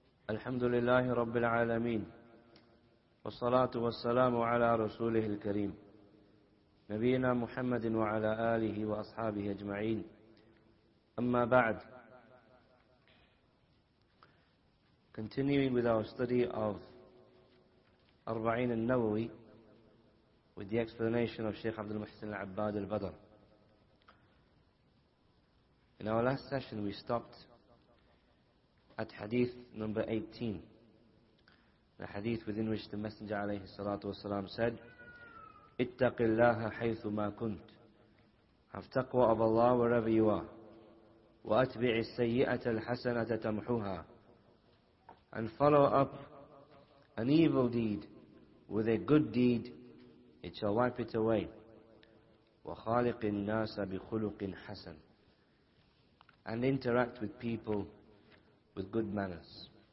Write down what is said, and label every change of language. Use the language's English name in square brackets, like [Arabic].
[Arabic] الحمد لله رب العالمين، والصلاة والسلام على رسوله الكريم نبينا محمد وعلى آله وأصحابه أجمعين، أما بعد. [English] Continuing with our study of Arba'in al-Nawawi with the explanation of Shaykh Abdul Muhsin al-Abbad al-Badr. In our last session we stopped at hadith number 18, the hadith within which the Messenger alayhi salatu wasalam said, اتق الله حيث ما كنت. Have taqwa of Allah wherever you are. [Arabic] واتبع السيئة الحسنة تمحوها. [English] And follow up an evil deed with a good deed, it shall wipe it away. [Arabic] وخالق الناس بخلق حسن. [English] And interact with people with good manners.